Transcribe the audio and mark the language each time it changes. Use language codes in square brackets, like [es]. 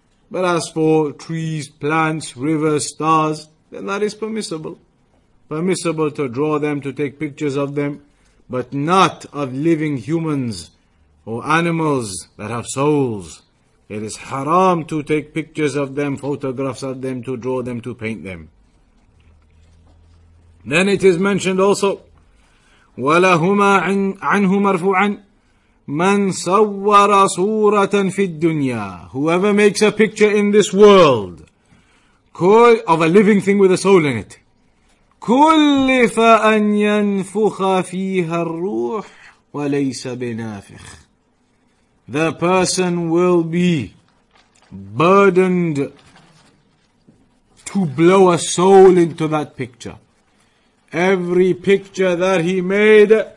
[en] But as for trees, plants, rivers, stars, then that is permissible. Permissible to draw them, to take pictures of them, but not of living humans or animals that have souls. It is haram to take pictures of them, photographs of them, to draw them, to paint them. Then it is mentioned also, [ar] وَلَهُمَا عَنْهُ مَرْفُوعًا مَنْ صَوَّرَ صُورَةً فِي الدُّنْيَا. [en] Whoever makes a picture in this world of a living thing with a soul in it, [ar] كُلِّفَ أَنْ يَنْفُخَ فِيهَا الرُّوحِ وَلَيْسَ بِنَافِخِ. [en] The person will be burdened to blow a soul into that picture. Every picture that he made,